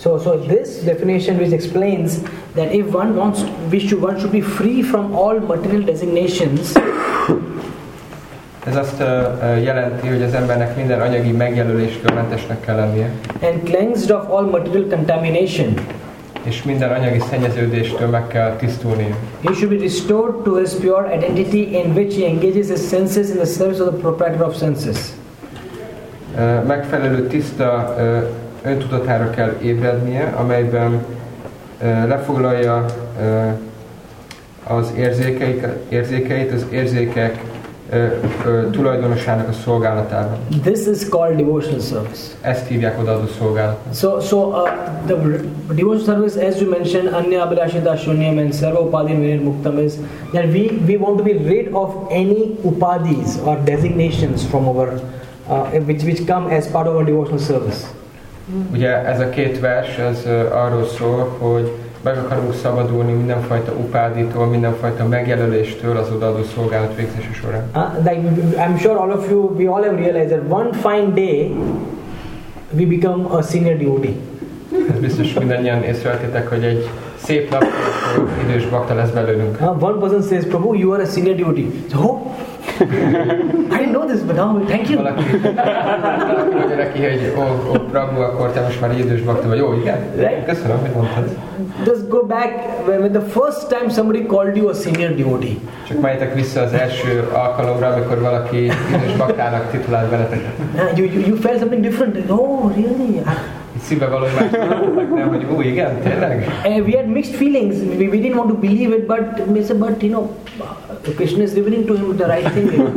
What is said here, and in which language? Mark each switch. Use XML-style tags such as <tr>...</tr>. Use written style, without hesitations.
<en>So this definition which explains that if one wants one should be free from all material designations.</en> <hu>Ez azt jelenti, hogy az embernek minden anyagi megjelöléstől mentesnek kell lennie.</hu> <en>And cleansed of all material contamination.</en> <hu>És minden anyagi szennyeződéstől meg kell tisztulnia.</hu> <en>He should be restored to his pure identity in which he engages his senses in the service of the proprietor of senses.</en> <hu>Megfelelő tiszta öntudatára kell ébrednie, amelyben lefoglalja az érzékeit, az érzékek tulajdonosának a szolgálatában.</hu> <en>This is called devotional service.</en> <hu>Ezt hívják odaadó szolgálatnak.</hu> <en>So the devotional service, as you mentioned,</en> <sa>anya abhilashita shunyam</sa> <en>and</en> <sa>sarva upadhi vinir muktam,</sa> <en>is that we want to be rid of any upadhis or designations from our which come as part of our devotional service.</en> <hu>Ugye ez a két vers az arról szól, hogy meg akarunk szabadulni mindenfajta upádítól, mindenfajta megjelöléstől az odaadó szolgálat végzése során.</hu> <en>I'm sure all of you, we all have realized that one fine day we become a senior devotee.</en> <hu>Ez biztos mindannyian észrevettétek, hogy egy szép nap, idős bakta lesz belőlünk.</hu> <en>One person says, Prabhu, you are a senior devotee. So, I didn't know this, but now, thank you.</en> <hu>Valaki neki, hogy Prabhu, akkor te most már idős bakta vagy. Jó, igen. Köszönöm, hogy mondtad.</hu> <en>Just go back when the first time somebody called you a senior devotee.</en> <hu>Csak menjetek vissza az első alkalomra, amikor valaki idős baktának titulált veletek.</hu> <en>You felt something different. Oh, really?</en> <hu>Szíve valahogy más, nem, hogy új, igen, tényleg?</hu> <en>We had mixed feelings. We didn't want to believe it, but we said, but you know, Krishna is revealing to him the right thing.</en>